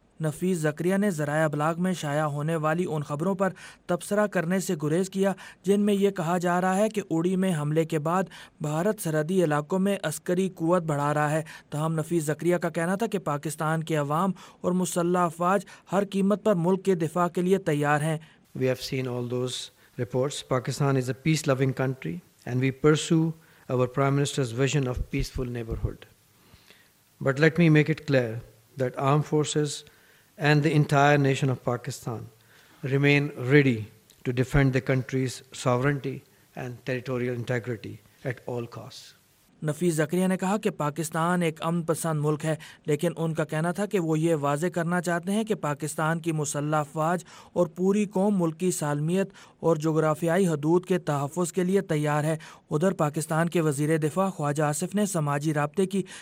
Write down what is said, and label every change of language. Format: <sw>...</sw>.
<ur>نفیس زکریہ نے ذرائع ابلاغ میں شائع ہونے والی ان خبروں پر تبصرہ کرنے سے گریز کیا جن میں یہ کہا جا رہا ہے کہ اڑی میں حملے کے بعد بھارت سرحدی علاقوں میں عسکری قوت بڑھا رہا ہے۔ تاہم نفیس زکریہ کا کہنا تھا کہ پاکستان کے عوام اور مسلح افواج ہر قیمت پر ملک کے دفاع کے لیے تیار ہیں۔</ur> <en>We have seen all those reports. Pakistan is a peace-loving country and we pursue our Prime Minister's vision of peaceful neighborhood. But let me make it clear that armed forces and the entire nation of Pakistan remain ready to defend the country's sovereignty and territorial integrity at all costs.</en> <ur>نفیس زکریہ نے کہا کہ پاکستان ایک امن پسند ملک ہے، لیکن ان کا کہنا تھا کہ وہ یہ واضح کرنا چاہتے ہیں کہ پاکستان کی مسلح افواج اور پوری قوم ملک کی سالمیت اور جغرافیائی حدود کے تحفظ کے لیے تیار ہے۔ ادھر پاکستان کے وزیر دفاع خواجہ آصف نے سماجی رابطے کی</ur>